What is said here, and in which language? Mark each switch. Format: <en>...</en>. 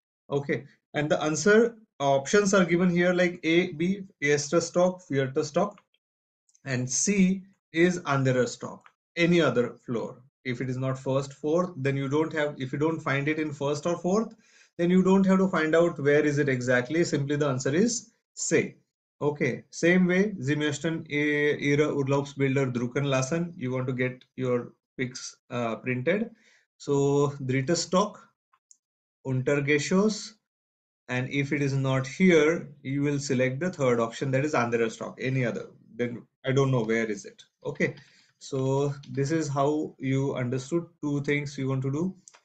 <en>Okay, and the answer options are given here, like A, B,</en> <de>erster Stock, vierter Stock,</de> <en>and C is</en> <de>anderer Stock,</de> <en>any other floor. If it is not first, fourth, then you don't have, if you don't find it in first or fourth, then you don't have to find out where is it exactly. Simply the answer is say. Okay, same way,</en> <de>Sie müssten ihre Urlaubsbilder drucken lassen.</de> <en>You want to get your pics printed.</en> <de>So dritter Stock, untergeschoss,</de> <en>and if it is not here, you will select the third option, that is</en> <de>anderer Stock,</de> <en>any other. Then I don't know where is it. Okay. So this is how you understood two things you want to do.</en>